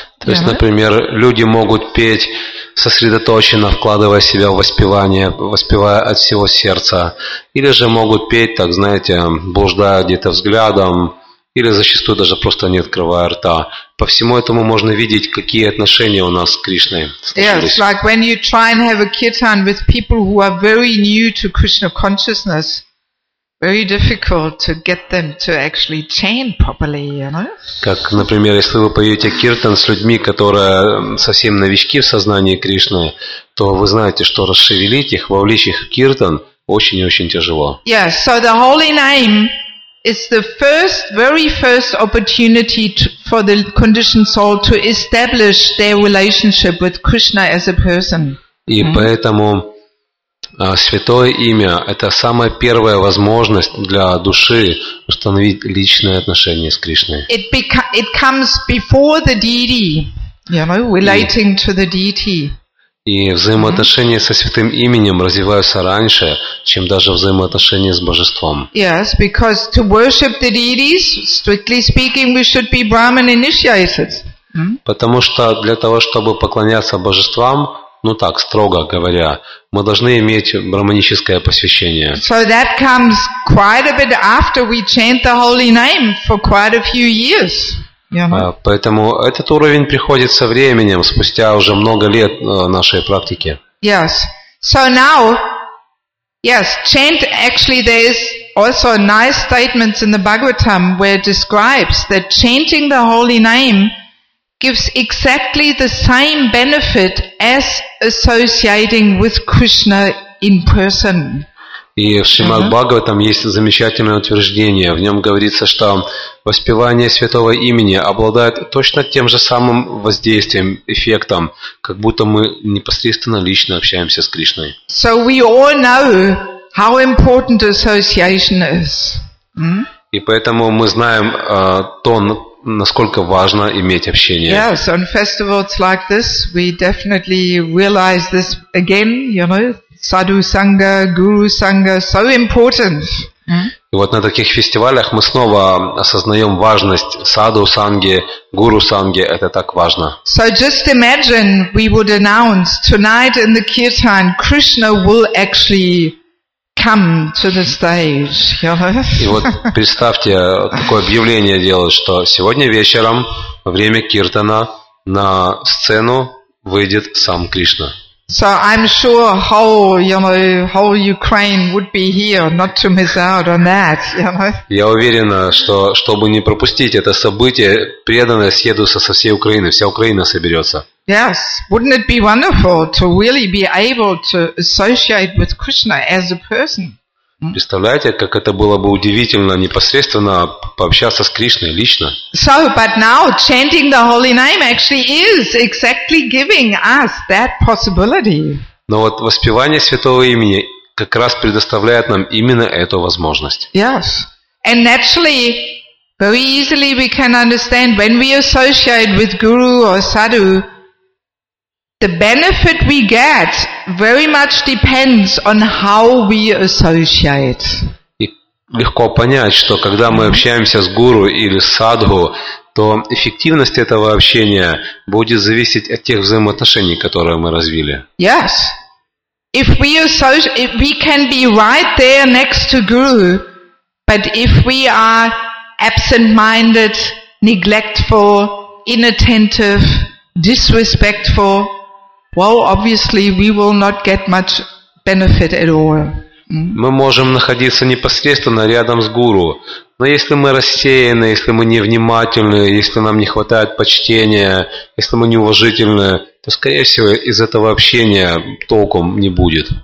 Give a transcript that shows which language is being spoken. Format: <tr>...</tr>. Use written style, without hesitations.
<ru>То есть, например, люди могут петь сосредоточенно, вкладывая себя в воспевание, воспевая от всего сердца, или же могут петь, так знаете, блуждая где-то взглядом, или зачастую даже просто не открывая рта. По всему этому можно видеть, какие отношения у нас с Кришной сложились.</ru> <en>Yes, like when you try and have a kirtan with people who are very new to Krishna consciousness, very difficult to get them to actually chant properly, you know?</en> <ru>Как, например, если вы поете киртан с людьми, которые совсем новички в сознании Кришны, то вы знаете, что расшевелить их, вовлечь их в киртан очень и очень тяжело.</ru> <en>Yes, so the holy name, it's the first, very first opportunity for the conditioned soul to establish their relationship with Krishna as a person.</en> <ru>И поэтому святое имя – это самая первая возможность для души установить личные отношения с Кришной.</ru> <en>It comes before the deity, you know, relating to the deity.</en> <ru>И взаимоотношения со святым именем развиваются раньше, чем даже взаимоотношения с божеством.</ru> <en>Yes, because to worship the deities, strictly speaking, we should be Brahman initiated.</en> <ru>Потому что для того, чтобы поклоняться божествам, ну так, строго говоря, мы должны иметь брахманическое посвящение.</ru> <en>So that comes quite a bit after we chant the holy name for quite a few years.</en> <ru>Поэтому этот уровень приходит со временем, спустя уже много лет нашей практики.</ru> <en>Yes. So now, yes, chant, actually there is also nice statements in the Bhagavatam where it describes that chanting the holy name gives exactly the same benefit as associating with Krishna in person.</en> <ru>И в Шримад-Бхагаватам есть замечательное утверждение. В нем говорится, что воспевание святого имени обладает точно тем же самым воздействием, эффектом, как будто мы непосредственно лично общаемся с Кришной.</ru> <en>So we all know how important association is.</en> <ru>И поэтому мы знаем то, насколько важно иметь общение.</ru> <en>Yes, on festivals like this, we definitely realize this again, you know. Sadhu Sangha, Guru Sangha, so important.</en> <ru>И вот на таких фестивалях мы снова осознаем важность Sadhu Sangha, Guru Sangha. Это так важно.</ru> <en>So just imagine we would announce tonight in the Kirtan, Krishna will actually come to the stage.</en> <ru>И вот представьте, такое объявление делать, что сегодня вечером во время Киртана на сцену выйдет сам Кришна.</ru> <en>So I'm sure whole Ukraine would be here not to miss out on that, you know.</en> <ru>Я уверена, что чтобы не пропустить это событие, преданные съедутся со всей Украины, вся Украина соберется.</ru> <en>Yes, wouldn't it be wonderful to really be able to associate with Krishna as a person?</en> <ru>Представляете, как это было бы удивительно непосредственно пообщаться с Кришной лично.</ru> <en>So, but now chanting the holy name actually is exactly giving us that possibility.</en> <ru>Но вот воспевание святого имени как раз предоставляет нам именно эту возможность.</ru> <en>Yes. And naturally, very easily we can understand when we associate with Guru or Sadhu, the benefit we get very much depends on how we associate.</en> <ru>И легко понять, что когда мы общаемся с гуру или садху, то эффективность этого общения будет зависеть от тех взаимоотношений, которые мы развили.</ru> <en>Yes. If we can be right there next to guru, but if we are absent-minded, neglectful, inattentive, disrespectful, well, obviously, we will not get much benefit at all.</en> <ru>Мы можем находиться непосредственно рядом с гуру, но если мы рассеяны, если мы невнимательны, если нам не хватает почтения, если мы неуважительны, то, скорее всего, из этого общения толком не будет.</ru>